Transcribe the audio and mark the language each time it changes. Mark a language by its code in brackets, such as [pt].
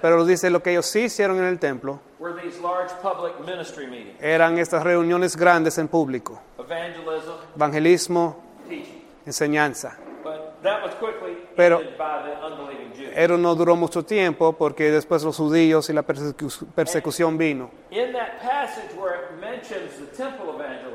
[es] pero dice lo que ellos sí hicieron en el templo, [en] were these large public ministry meetings. [es] Eran estas reuniones grandes en público. [en] Evangelism, [es] evangelismo, [en] teaching, [es] enseñanza. [en] But that was quickly [es] pero, [en] ended by the unbelieving Jews. [es] Pero no duró mucho tiempo porque después los judíos y la persecución vino. [en] In that passage where it mentions the temple evangelism,